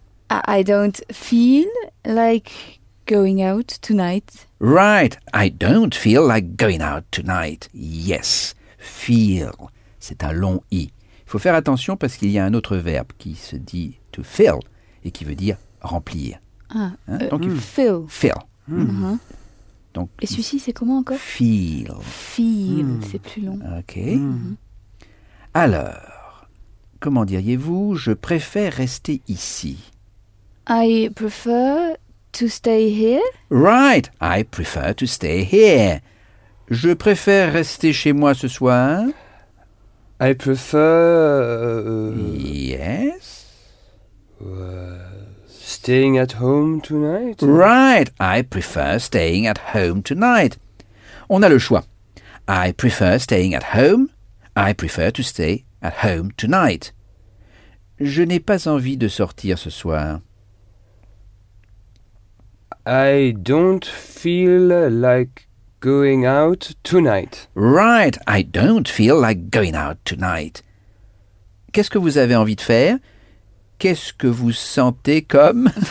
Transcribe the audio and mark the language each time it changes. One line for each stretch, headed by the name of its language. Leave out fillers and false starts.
English: I don't feel like going out tonight. Right. I don't feel like going out tonight.
French: Yes. Feel. C'est un long I. Il faut faire attention parce qu'il y a un autre verbe qui se dit to fill et qui veut dire remplir.
English: Fill. Fill.
French: Donc, et celui-ci, c'est comment encore?
English: Feel.
French: Feel. C'est plus long.
English: OK.
French: Alors, comment diriez-vous je préfère rester ici?
English: I prefer... To stay here? Right, I prefer to stay here.
French: Je préfère rester chez moi ce soir.
English: I prefer... Yes? Staying at home tonight? Right, I prefer staying at home tonight.
French: On a le choix.
English: I prefer staying at home. I prefer to stay at home tonight.
French: Je n'ai pas envie de sortir ce soir.
English: I don't feel like going out tonight. Right, I don't feel like going out tonight.
French: Qu'est-ce que vous avez envie de faire? Qu'est-ce que vous sentez comme?